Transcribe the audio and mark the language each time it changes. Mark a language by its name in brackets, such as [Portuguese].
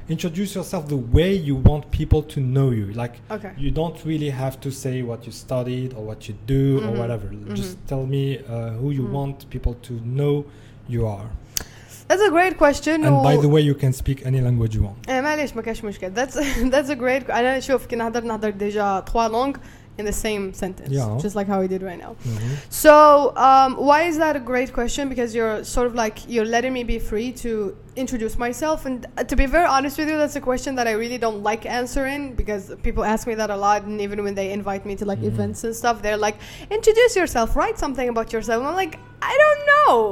[English] Introduce yourself the way you want people to know you. Like, okay. You don't really have to say what you studied or what you do or whatever. Mm-hmm. Just tell me who you want people to know you are. That's a great question. And by the way, you can speak any language you want. [Arabic] معليش ما كاش مشكل. [English] That's a great. [Arabic] انا شوف كنا هضرنا هضر ديجا 3 لونغ [English] in the same sentence. Yeah. Just like how we did right now. Mm-hmm. So, why is that a great question? Because you're sort of like you're letting me be free to introduce myself, and to be very honest with you, that's a question that I really don't like answering, because people ask me that a lot, and even when they invite me to like events and stuff, they're like, "Introduce yourself, write something about yourself." And I'm like, "I don't know."